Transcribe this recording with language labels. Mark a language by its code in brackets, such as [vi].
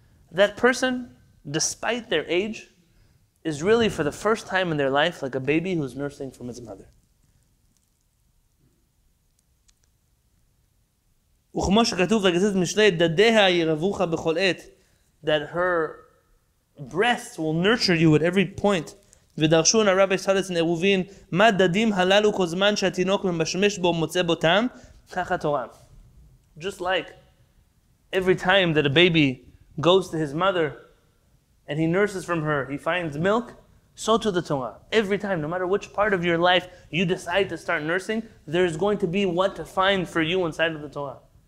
[en] That person, despite their age, is really for the first time in their life like a baby who's nursing from his mother. That her breasts will nurture you at every point. [he] ודרשו נא רבי סלס נרובין, מה דדים הללו כל זמן שהתינוק ממשמש בו מוצא בו טעם? ככה תורה. [en] Just like every time that a baby goes to his mother and he nurses from her, he finds milk, so to the Torah. Every time, no matter which part of your life you decide to start nursing, there is going to be what to find for you inside of the Torah.